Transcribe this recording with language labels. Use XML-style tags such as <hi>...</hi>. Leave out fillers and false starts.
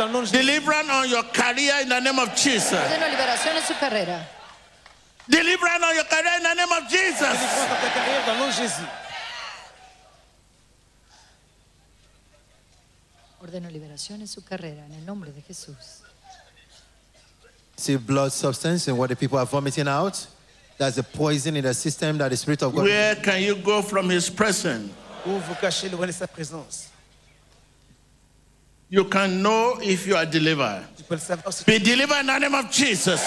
<en>Deliverance on your career in the name of Jesus. Deliverance on your career in the name of Jesus.</en> <es>Ordeno liberación en su carrera en el nombre de Jesús.</es> <en>See blood substance and what the people are vomiting out. That's the poison in the system that the Spirit of God. Where can you go from His presence?</en> <fr>ou vous cacher loin de sa présence.</fr> <en>You can know if you are delivered. Be delivered in the name of Jesus.</en>